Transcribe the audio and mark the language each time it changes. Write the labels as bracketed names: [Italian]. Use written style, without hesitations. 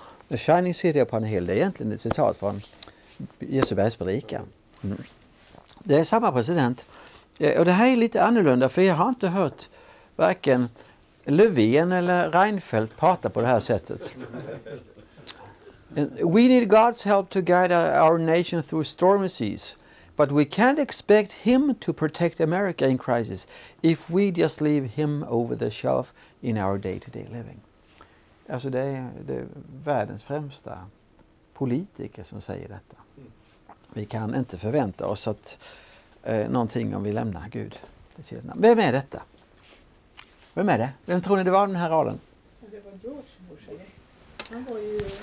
[English] The Shining City upon a Hill, [Swedish] det är egentligen ett citat från Jesu bergspredikan. Det är samma president. Och det här är lite annorlunda, för jag har inte hört varken Löfven eller Reinfeldt prata på det här sättet. [English] We need God's help to guide our nation through stormy seas. But we can't expect him to protect America in crisis if we just leave him over the shelf in our day-to-day living. [Swedish] Alltså det är världens främsta politiker som säger detta. Vi kan inte förvänta oss att någonting om vi lämnar Gud. Vem är detta? Vem är det? Vem tror ni det var den här rollen? Det var George Bush. Han var ju...